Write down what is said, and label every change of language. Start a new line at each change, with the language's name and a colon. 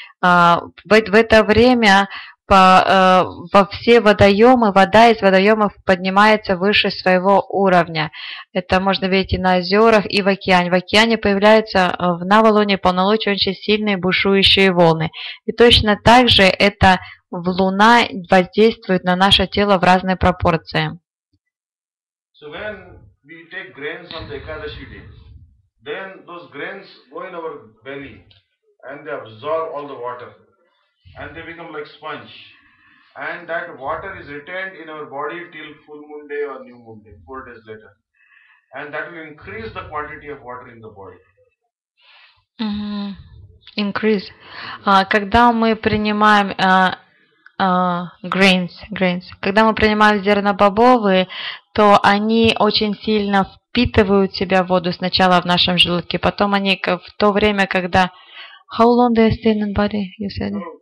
Russian: В это время во все водоемы, вода из водоемов поднимается выше своего уровня. Это можно видеть и на озерах, и в океане. В океане появляются в новолуние и полнолуние очень сильные бушующие волны. И точно так же это в Луна воздействует на наше тело в разные пропорции.
English: So when we take grains on the Ekadashi day, then those grains go in our belly and they absorb all the water and they become like sponge. And that water is retained in our body till full moon day or new moon day, 4 days later. And that will increase the quantity of water in the body. Increase.
Russian: Когда мы принимаем grains, когда мы принимаем зернобобовые, то они очень сильно впитывают в себя воду сначала в нашем желудке, потом они в то время, когда...
English: How long they stay in the body, you said?